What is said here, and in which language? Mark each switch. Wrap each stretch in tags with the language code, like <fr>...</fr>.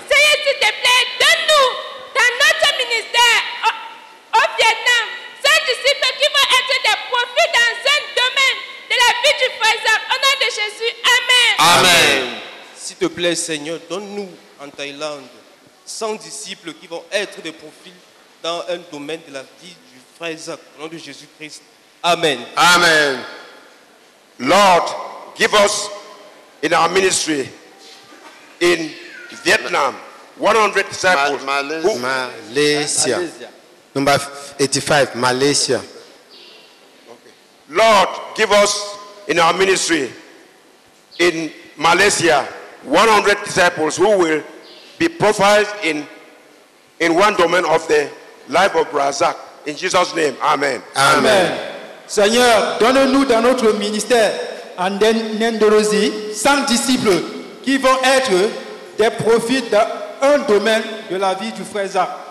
<fr>Seigneur, s'il te plaît, donne-nous dans notre ministère au Vietnam 100 disciples qui vont être des profits dans un domaine de la vie du frère Zach. Au nom de Jésus, amen. Amen. S'il te plaît, Seigneur, donne-nous en Thaïlande 100 disciples qui vont être des profits dans un domaine de la vie du frère Zach. Au nom de Jésus-Christ. Amen. Amen.</fr> <en>Lord, give us in our ministry in Vietnam 100 disciples. Malaysia. Number 85, Malaysia. Okay. Lord, give us in our ministry in Malaysia 100 disciples who will be profiled in one domain of the life of Brazak. In Jesus' name, amen. Amen.</en> <fr>Seigneur, donne-nous dans notre ministère en Indonésie 100 disciples qui vont être des profits dans un domaine de la vie du frère Zach.</fr>